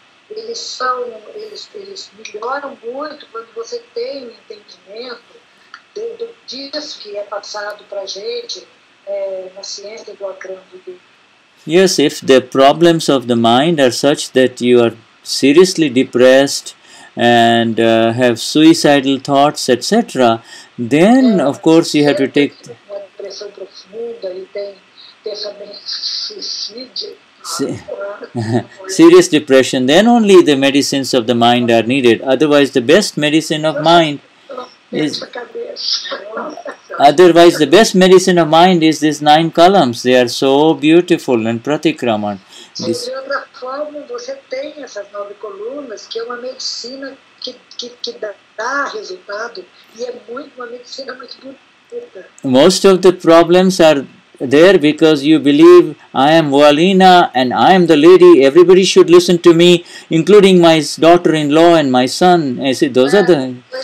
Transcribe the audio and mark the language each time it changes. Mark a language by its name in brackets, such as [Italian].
[Portuguese] Eles melhoram muito quando você tem um entendimento disso que é passado para a gente na ciência do acrônimo. [English] Yes, if the problems of the mind are such that you are seriously depressed and have suicidal thoughts, etc., then, of course, you have to take... [Portuguese] Uma depressão profunda e tem pensamentos suicídios. [English] Serious depression, then only the medicines of the mind are needed. Otherwise, the best medicine of mind is... Otherwise, the best medicine of mind is these nine columns. They are so beautiful and pratikraman. This... [Portuguese] De outra forma, você tem essas nove colunas, que é uma medicina que dá resultado, e é muito, uma medicina muito bonita. [English] Most of the problems are... there because you believe I am Valina and I am the lady, everybody should listen to me, including my daughter-in-law and my son. I said, those are the...